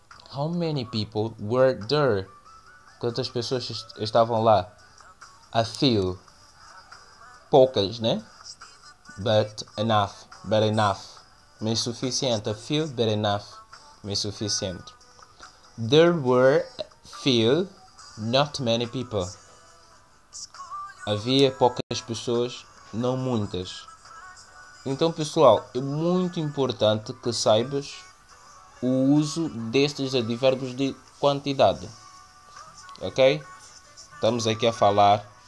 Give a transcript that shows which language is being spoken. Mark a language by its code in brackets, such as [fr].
[en] How many people were there? [pt] Quantas pessoas estavam lá? [en] A few. [pt] Poucas, né? [en] But enough. [pt] Me suficiente. [en] A few, but enough. Me suficiente. There were few, not many people. [pt] Havia poucas pessoas, não muitas. Então, pessoal, é muito importante que saibas o uso destes advérbios de quantidade. Ok? Estamos aqui a falar.